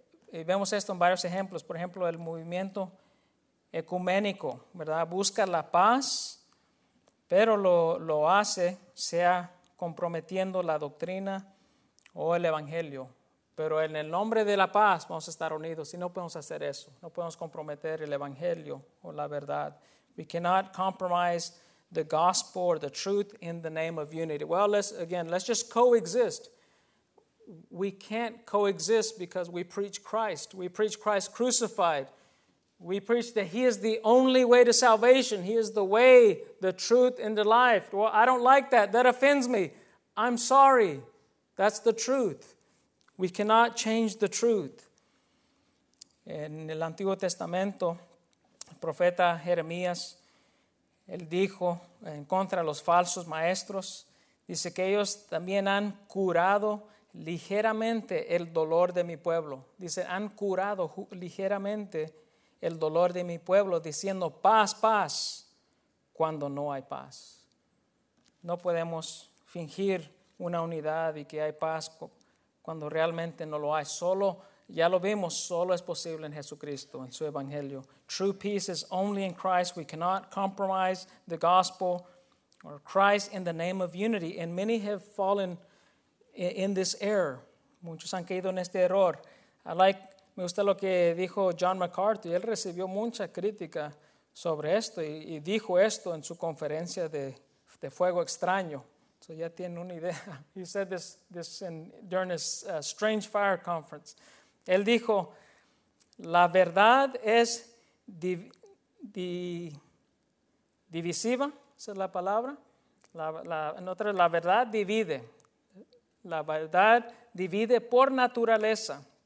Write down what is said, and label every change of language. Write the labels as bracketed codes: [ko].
[es] Y vemos esto en varios ejemplos. Por ejemplo, el movimiento ecuménico, ¿verdad? Busca la paz, pero lo hace sea comprometiendo la doctrina o el evangelio. Pero en el nombre de la paz vamos a estar unidos y no podemos hacer eso. No podemos comprometer el evangelio o la verdad. [en] We cannot compromise the gospel or the truth in the name of unity. Well, let's just coexist. We can't coexist because we preach Christ. We preach Christ crucified. We preach that He is the only way to salvation. He is the way, the truth, and the life. Well, I don't like that. That offends me. I'm sorry. That's the truth. We cannot change the truth. [es] En el Antiguo Testamento, el profeta Jeremías, él dijo en contra de los falsos maestros, dice que ellos también han curado ligeramente el dolor de mi pueblo. Dice, han curado ligeramente el dolor de mi pueblo, diciendo paz, paz, cuando no hay paz. No podemos fingir una unidad y que hay paz cuando realmente no lo hay. Solo, ya lo vimos, solo es posible en Jesucristo, en su evangelio. [en] True peace is only in Christ. We cannot compromise the gospel or Christ in the name of unity. And many have fallen in this error. [es] Muchos han caído en este error. Me gusta lo que dijo John MacArthur. Él recibió mucha crítica sobre esto y dijo esto en su conferencia de Fuego Extraño. So ya tienen una idea. [en] He said this during his Strange Fire Conference. [es] Él dijo, la verdad es divisiva, esa es la palabra. La verdad divide. La verdad divide por naturaleza.